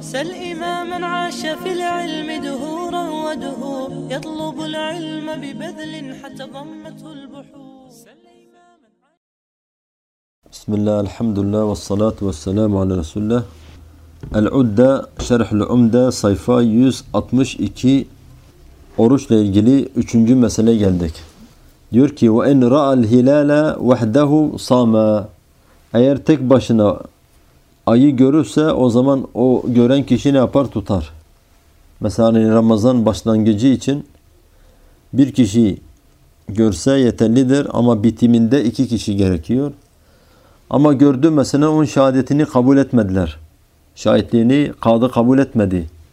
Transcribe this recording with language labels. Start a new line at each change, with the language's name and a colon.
Arabic: سل إماما عاش في العلم دهورا ودهور يطلب العلم ببذل حتى ضمته البحور. بسم الله الحمد لله والصلاة والسلام على رسول الله. العدة شرح العمدة صفحة 162
Turkish: oruçla ilgili üçüncü meseleye geldik. Diyor ki
Arabic: وَاِنْ رَعَ الْهِلَالَ وَحْدَهُ صَامَا.
Turkish: Eğer tek başına ayı görürse o zaman o gören kişi ne yapar? Tutar. Mesela hani Ramazan başlangıcı için bir kişi görse yeterlidir ama bitiminde iki kişi gerekiyor. Ama gördü mesela onun şahadetini kabul etmediler. Şahitliğini kadı kabul etmedi.